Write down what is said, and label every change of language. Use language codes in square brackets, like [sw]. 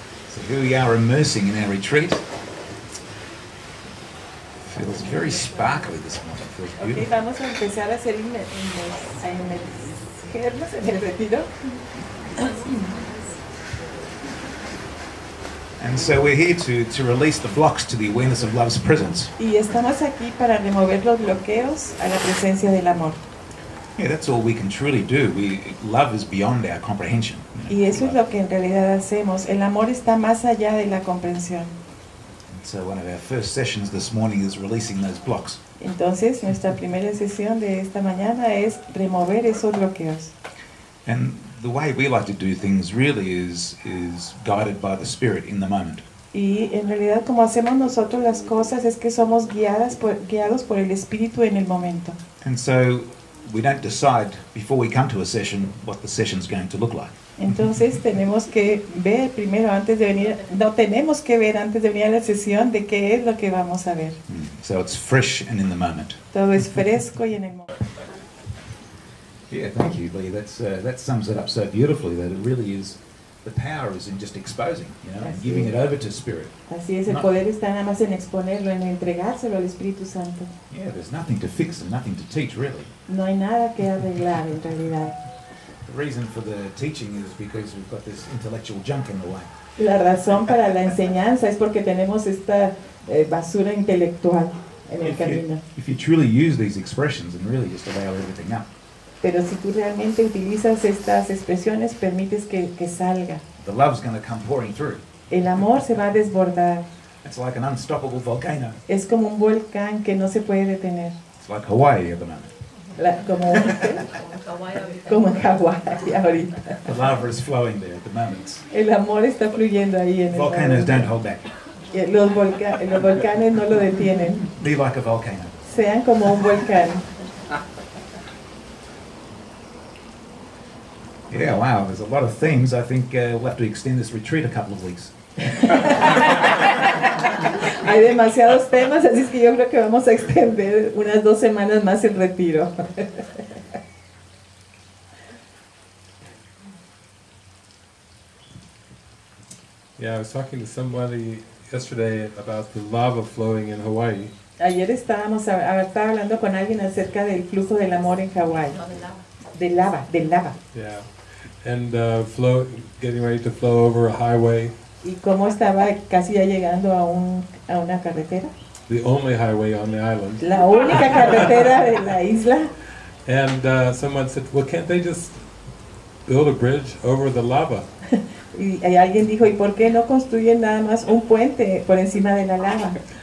[en] So here we are immersing in our retreat. Feels very sparkly this morning. Feels beautiful. [es] Okay, vamos a empezar a hacer inmersiones en el retiro. [en] And so we're here to release the blocks to the awareness of love's presence. [es] Y estamos aquí para remover los bloqueos a la presencia del amor. [en] Yeah, that's all we can truly do. Love is beyond our comprehension. [es] Y eso es lo que en realidad hacemos. El amor está más allá de la comprensión. [en] And so one of our first sessions this morning is releasing those blocks. [es] Entonces, nuestra primera sesión de esta mañana es remover esos bloqueos. [en] And the way we like to do things really is guided by the Spirit in the moment. [es] Y en realidad como hacemos nosotros las cosas es que somos guiados por el Espíritu en el momento. [en] And so we don't decide before we come to a session what the session's going to look like. [es] Entonces tenemos que ver primero antes de venir. No tenemos que ver antes de venir a la sesión de qué es lo que vamos a ver. [en] So it's fresh and in the moment. [es] Todo es fresco y en el momento. [en] Yeah, thank you, Lee. That sums it up so beautifully that it really is. The power is in just exposing, you know, and giving it over to Spirit. [es] Así es, el poder está nada más en exponerlo, en entregárselo al Espíritu Santo. [en] Yeah, there's nothing to fix and nothing to teach, really. [es] No hay nada que arreglar, en realidad. [en] The reason for the teaching is because we've got this intellectual junk in the way. [es] La razón para la enseñanza es porque tenemos esta basura intelectual en el camino. [en] If you truly use these expressions and really just allow everything out. [es] Pero si tú realmente utilizas estas expresiones, permites que salga. [en] The love's gonna come pouring through. [es] El amor se va a desbordar. [en] It's like an unstoppable volcano. [es] Es como un volcán que no se puede detener. [en] It's like Hawaii at the moment. [es] Como en Hawaii ahorita. [en] The lava is flowing there at the moment. [es] El amor está fluyendo ahí en [en] Volcanoes momento. Don't hold back. [es] Los volcanes no lo detienen. [en] Be like a volcano. [es] Sean como un volcán. [en] Yeah, wow, there's a lot of themes. I think we'll have to extend this retreat a couple of weeks. [es] Hay demasiados temas, así es que yo creo que vamos a extender unas dos semanas más el retiro. [en] Yeah, I was talking to somebody yesterday about the lava flowing in Hawaii. [es] Ayer estaba hablando con alguien acerca del flujo del amor en Hawaii. No, del lava. [en] Yeah. And flow, getting ready to flow over a highway. [es] ¿Y cómo estaba casi ya llegando a una carretera? [en] The only highway on the island. [es] La única carretera de la isla. [en] And someone said, "Well, can't they just build a bridge over the lava?" [es] Y alguien dijo, "¿Y por qué no construyen nada más un puente por encima de la lava?"